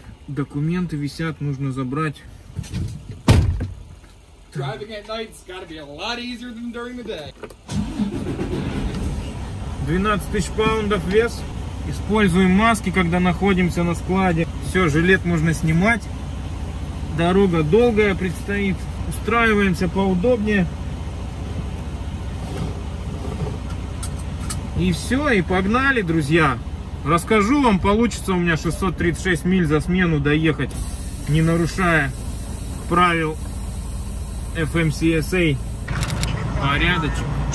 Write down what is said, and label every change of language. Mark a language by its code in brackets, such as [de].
[ru] Документы висят, нужно забрать. [en] Driving at night has got to be a lot easier than during the day. [ru] 12 тысяч паундов вес. Используем маски, когда находимся на складе. Все, жилет можно снимать. Дорога долгая предстоит. Устраиваемся поудобнее. И все, и погнали, друзья. Расскажу вам, получится у меня 636 миль за смену доехать, не нарушая правил FMCSA. Порядочек.